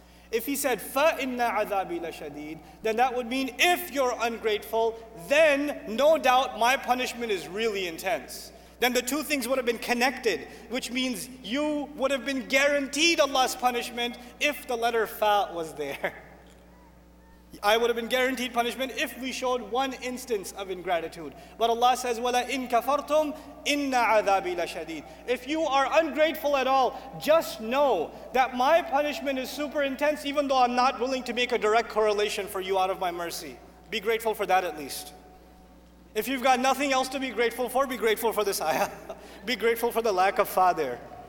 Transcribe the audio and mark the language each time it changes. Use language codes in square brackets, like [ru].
[en] If He said, fa inna azabi la shadeed, then that would mean if you're ungrateful, then no doubt my punishment is really intense. Then the two things would have been connected, which means you would have been guaranteed Allah's punishment if the letter fa was there. I would have been guaranteed punishment if we showed one instance of ingratitude. But Allah says, [ar] وَلَا إِن كَفَرْتُمْ إِنَّ عَذَابِي لَشَدِيدٌ. [en] If you are ungrateful at all, just know that my punishment is super intense, even though I'm not willing to make a direct correlation for you out of my mercy. Be grateful for that at least. If you've got nothing else to be grateful for this ayah. Be grateful for the lack of fa there.